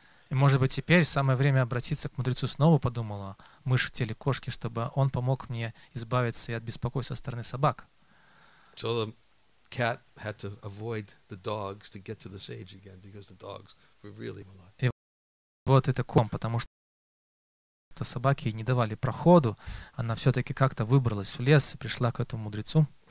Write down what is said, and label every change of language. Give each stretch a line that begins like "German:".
Russian: И может быть теперь самое время обратиться к мудрецу снова, подумала мышь в теле кошки, чтобы он помог мне избавиться и от беспокойства со стороны собак.
English: So the cat had to avoid the dogs to get to the sage again because the dogs were really a lot.
Russian: И вот это ком, потому что что собаки ей не давали проходу, она все-таки как-то выбралась в лес и пришла к этому мудрецу.